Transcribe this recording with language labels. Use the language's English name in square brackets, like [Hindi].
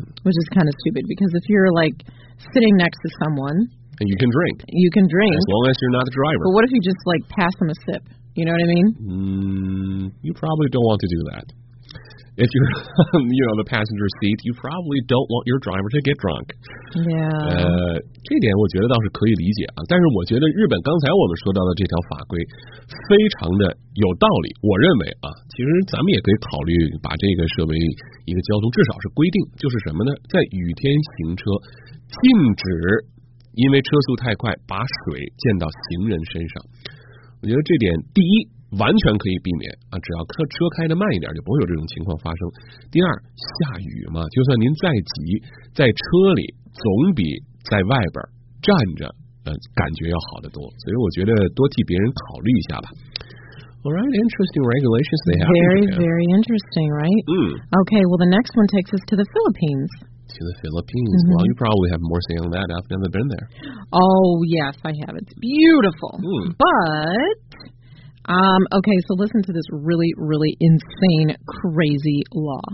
[English] Which is kind of stupid, because if you're, like, sitting next to someone... And you can drink. You can drink. As long as you're not the driver. But what if you just, like, pass them a sip? You know what I mean? You probably don't want to do that. If you're, you know, the passenger seat, you probably don't want your driver to get drunk. [Chinese] Yeah.这点我觉得倒是可以理解啊，但是我觉得日本刚才我们说到的这条法规非常的有道理，我认为啊，其实咱们也可以考虑把这个设为 一个交通至少是规定，就是什么呢？在雨天行车，禁止因为车速太快把水溅到行人身上。我觉得这点第一完全可以避免啊，只要车开的慢一点，就不会有这种情况发生。第二，下雨嘛，就算您再急，在车里总比在外边站着，感觉要好得多。所以我觉得多替别人考虑一下吧。 [English] All right, interesting regulations they have. Very, very interesting, right? Mm. Okay, well, the next one takes us to the Philippines. To the Philippines. Mm-hmm. Well, you probably have more say on that. I've never been there. Oh, yes, I have. It's beautiful. Mm. But, okay, so listen to this really, really insane, crazy law.